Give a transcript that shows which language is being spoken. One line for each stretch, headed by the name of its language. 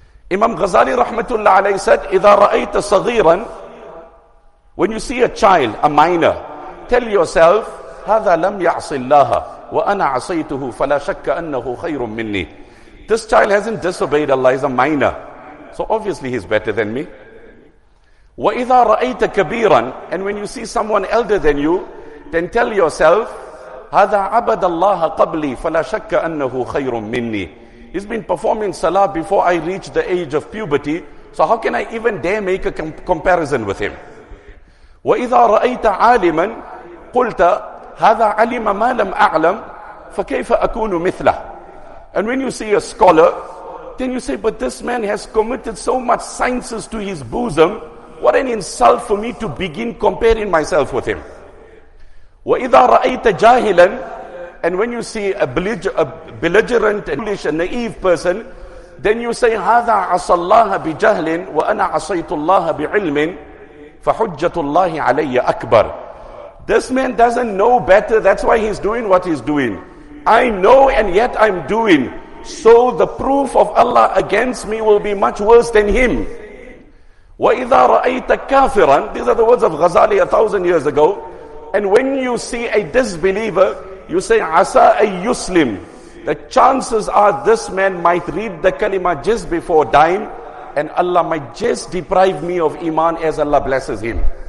English: Imam Ghazali rahmatullah alayhi said,
Arabic: إِذَا رَأَيْتَ صَغِيرًا,
English: when you see a child, a minor, tell yourself,
Arabic: هَذَا لَمْ يَعْصِ اللَّهَ وَأَنَا عَصَيْتُهُ فَلَا شَكَّ أَنَّهُ خَيْرٌ مِّنِّي.
English: This child hasn't disobeyed Allah, he's a minor. So obviously he's better than me.
Arabic: وَإِذَا رَأَيْتَ كَبِيرًا,
English: and when you see someone elder than you, then tell yourself,
Arabic: هَذَا عَبَدَ اللَّهَ قَبْلِي فَلَا شَكَّ أَنَّهُ خَيْرٌ مِّنِّي.
English: He's been performing salah before I reach the age of puberty, so how can I even dare make a comparison with him?
Arabic: وَإِذَا رَأَيْتَ عَالِمًا قُلْتَ هَذَا عَلِمَ مَا لَمْ أَعْلَمْ فَكَيْفَ أَكُونُ مِثْلَهُ.
English: And when you see a scholar, then you say, but this man has committed so much sciences to his bosom, what an insult for me to begin comparing myself with him.
Arabic: وَإِذَا رَأَيْتَ جَاهِلًا,
English: and when you see a belligerent and foolish and naive person, then you say,
Arabic: هَذَا عَصَى اللَّهَ بِجَهْلٍ وَأَنَا عَصَيْتُ اللَّهَ بِعِلْمٍ فَحُجَّةُ اللَّهِ عَلَيَّ أَكْبَرُ.
English: This man doesn't know better, that's why he's doing what he's doing. I know and yet I'm doing, so the proof of Allah against me will be much worse than him.
Arabic: وَإِذَا رَأَيْتَ كَافِرًا,
English: these are the words of Ghazali 1,000 years ago, and when you see a disbeliever, you say,
Arabic: عَسَىٰ أَيُّسْلِمْ,
English: the chances are this man might read the kalima just before dying, and Allah might just deprive me of iman as Allah blesses him.